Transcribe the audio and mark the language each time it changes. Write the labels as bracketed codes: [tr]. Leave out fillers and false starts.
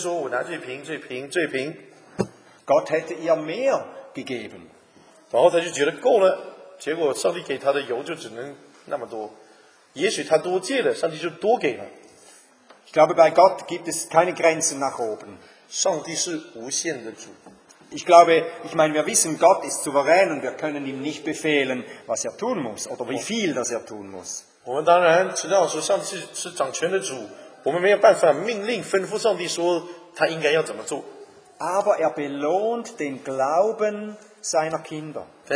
[zh] 很可能这个寡妇去那里，他就说我拿这瓶。 [de] Gott hätte ihr mehr gegeben. [zh] 然后他就觉得够了，结果上帝给他的油就只能那么多。也许他多借了，上帝就多给了。 [de] Ich glaube, bei Gott gibt es keine Grenzen nach oben. [zh] 上帝是无限的主。 [de] Ich glaube, ich meine, wir wissen, Gott ist souverän und wir können ihm nicht befehlen, was er tun muss oder wie viel das er tun muss. [zh] 我们当然知道说上帝是掌权的主。我们没有办法命令吩咐上帝说他应该要怎么做。 [de] Aber er belohnt den Glauben seiner Kinder.